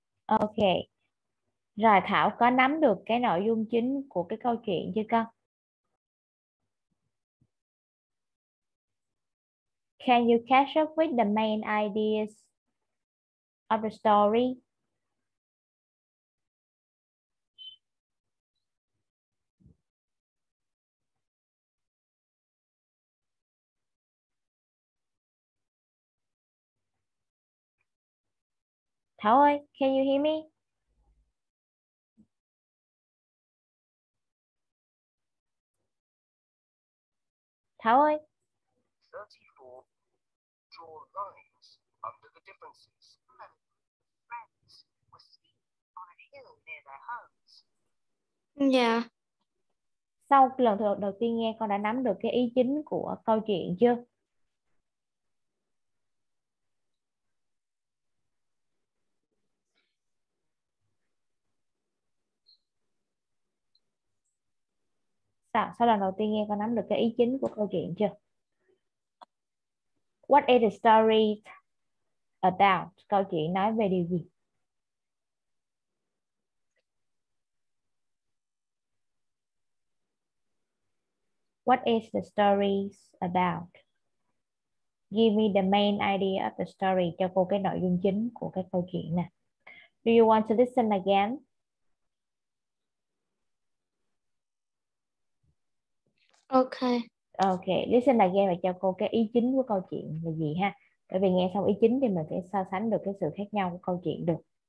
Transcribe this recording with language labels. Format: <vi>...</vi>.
<vi>Ok, rồi Thảo có nắm được cái nội dung chính của cái câu chuyện chưa con?</vi> <en>Can you catch up with the main ideas of the story?</en> <vi>Thảo ơi,</vi> <en>can you hear me?</en> <vi>Thảo ơi.</vi> <en>34. Draw lines under the differences. Friends were sitting on a hill near their homes. Yeah.</en> <vi>Sau lần đầu tiên nghe, con đã nắm được cái ý chính của câu chuyện chưa? Sau lần đầu tiên nghe con nắm được cái ý chính của câu chuyện chưa?</vi> <en>What is the story about?</en> <vi>Câu chuyện nói về điều gì?</vi> <en>What is the story about? Give me the main idea of the story.</en> <vi>Cho cô cái nội dung chính của cái câu chuyện nè.</vi> <en>Do you want to listen again? Ok, listen again</en> <vi>và cho cô cái ý chính của câu chuyện là gì ha. Bởi vì nghe xong ý chính thì mình sẽ so sánh được cái sự khác nhau của câu chuyện được.</vi>